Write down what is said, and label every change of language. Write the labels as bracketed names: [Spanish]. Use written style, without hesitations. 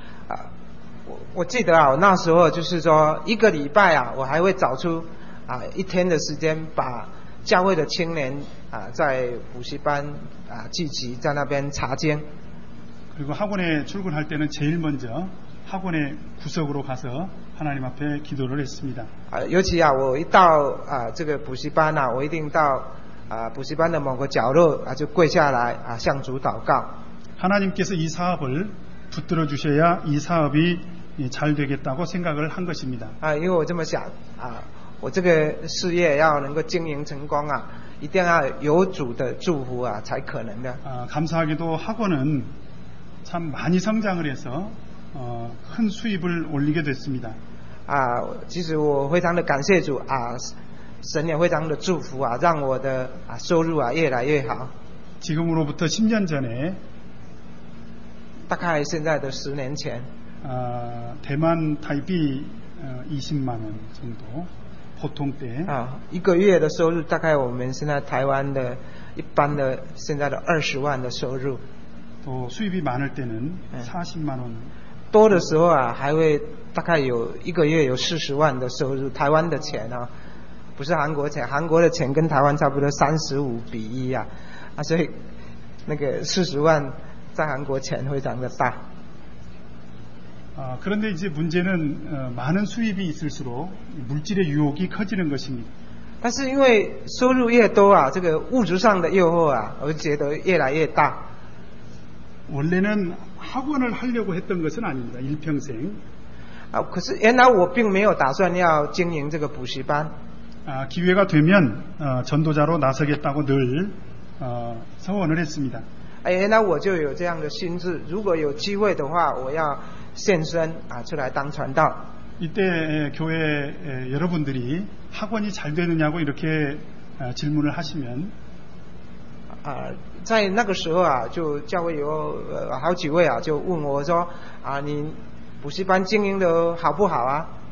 [Chinese] 아我记得啊我那时候就是说一个礼拜啊我还会找出啊一天的时间把教会的青年啊在补习班啊聚集在那边查经 [Korean] 그리고학원에출근할때는제일먼저학원의구석으로가서하나님앞에기도를했습니다 [Chinese] 아尤其啊我一到啊这个补习班啊我一定到啊补习班的某个角落啊就跪下来啊向主祷告 [Korean] 하나님께서이사업을붙들어주셔야이사업이잘되겠다고생각을한것입니다 [Chinese] 아因为我这么想啊我这个事业要能够经营成功啊一定要有主的祝福啊才可能的 [Korean] 아감사하게도학원은참많이성장을해서큰수입을올리게됐습니다 [Chinese] 아其实我非常的感谢主啊神也非常的祝福啊让我的啊收入啊越来越好 [Korean] 지금으로부터10년전에 [Chinese] 大概现在的十年前 [Korean] 대만타입이20만원정도보통때 [Chinese] 아一个月的收入大概我们现在台湾的一般的现在的20万的收入 [Korean] 또수입이많을때는40만원 [Chinese] 多的时候啊还会大概有一个月有40万的收入台湾的钱啊不是韩国钱韩国的钱跟台湾差不多35:1 啊所以那个40万在韩国钱非常的大 [Korean] 아그런데이제문제는많은수입이있을수록물질의유혹이커지는것입니다 [Chinese] 但是因为收入越多啊这个物质上的诱惑啊我觉得越来越大 [Korean] 원래는학원을하려고했던것은아닙니다일평생 아그래서옛날 [Chinese] 我并没有打算要经营这个补习班 [Korean] 아기회가되면전도자로나서겠다고늘서원을했습니다 [Chinese] 아옛날我就有这样的心智如果有机会的话我要现身啊出来当传道 [Korean] 이때교회여러분들이학원이잘되느냐고이렇게질문을하시면 [Chinese] 啊在那个时候啊就教会有好几位啊就问我说啊你补习班经营的好不好啊